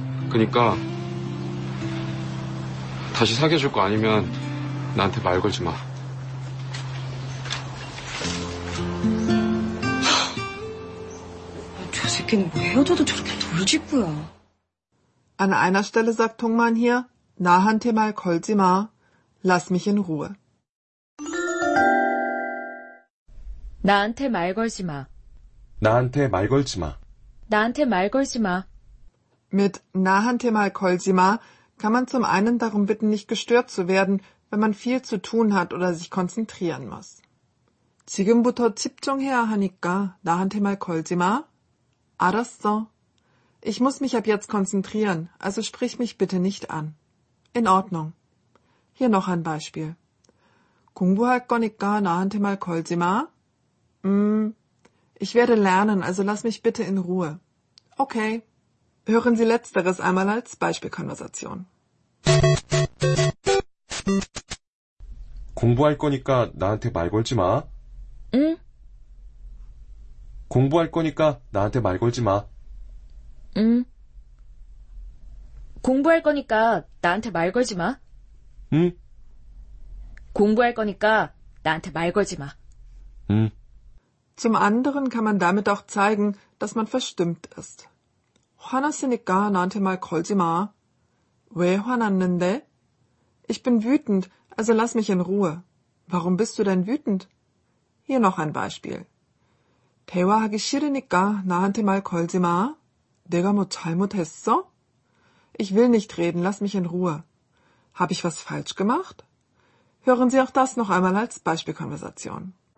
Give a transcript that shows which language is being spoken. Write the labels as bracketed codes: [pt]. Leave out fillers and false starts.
[ko] 그러니까 다시 사귀어줄 거 아니면 나한테 말 걸지 마. 저 새끼는 왜 헤어져도 저렇게 돌직구야. [de] An einer Stelle sagt Tungman hier, [ko] 나한테 말 걸지 마. [de] Lass mich in Ruhe. [ko] 나한테 말 걸지 마. 나한테 말 걸지 마. 나한테 말 걸지 마. [de] Mit [ko] 나한테 말 걸지 마 [de] kann man zum einen darum bitten, nicht gestört zu werden, wenn man viel zu tun hat oder sich konzentrieren muss. [ko] 지금부터 집중해야 하니까 나한테 말 걸지 마. 알았어. [de] Ich muss mich ab jetzt konzentrieren, also sprich mich bitte nicht an. In Ordnung. Hier noch ein Beispiel. [ko] 공부할 거니까 나한테 말 걸지 마. [de] Ich werde lernen, also lass mich bitte in Ruhe. Okay. Hören Sie Letzteres einmal als Beispielkonversation. [ko] 공부할 거니까 나한테 말 걸지 마. 응? 공부할 거니까 나한테 말 걸지 마. 응? 공부할 거니까 나한테 말 걸지 마. 응? 공부할 거니까 나한테 말 걸지 마. 응? [de] Zum anderen kann man damit auch zeigen, dass man verstimmt ist. [ko] 화났으니까 나한테 말 걸지 마. 왜 화났는데? [de] Ich bin wütend, also lass mich in Ruhe. Warum bist du denn wütend? Hier noch ein Beispiel. [ko] 대화하기 싫으니까 나한테 말 걸지 마. 내가 뭐 잘못했어? [de] Ich will nicht reden, lass mich in Ruhe. Habe ich was falsch gemacht? Hören Sie auch das noch einmal als Beispielkonversation.